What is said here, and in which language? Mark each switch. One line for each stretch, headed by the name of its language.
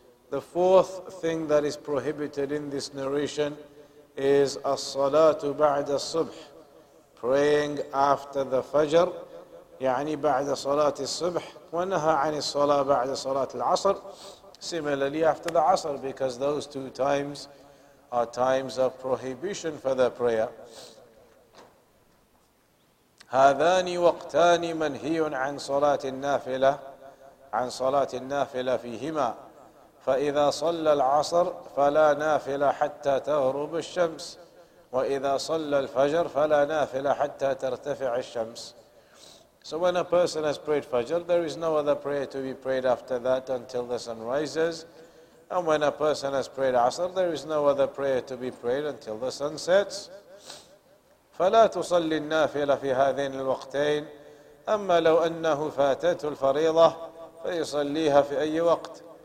English: The fourth thing that is prohibited in this narration is as-salatu ba'da subh, praying after the fajr,
Arabic: يعني بعد صلاة الصبح ونهى عن الصلاة بعد صلاة العصر.
English: Similarly, after the asr, because those two times are times of prohibition for the prayer.
Arabic: هذان وقتان منهي عن صلاة النافلة عن صلاة النافلة فيهما فإذا صلى العصر فلا نافلة حتى تغرب الشمس وإذا صلى الفجر فلا نافلة حتى ترتفع الشمس.
English: So when a person has prayed Fajr, there is no other prayer to be prayed after that until the sun rises. And when a person has prayed Asr, there is no other prayer to be prayed until the sun sets.
Arabic: فَلَا تُصَلِّ النَّافِلَ فِي هَذِينِ الْوَقْتَيْنِ أَمَّا لَوْ أَنَّهُ فَاتَتُ الْفَرِيضَةِ فَيُصَلِّيهَا فِي أَيِّ وَقْتِ.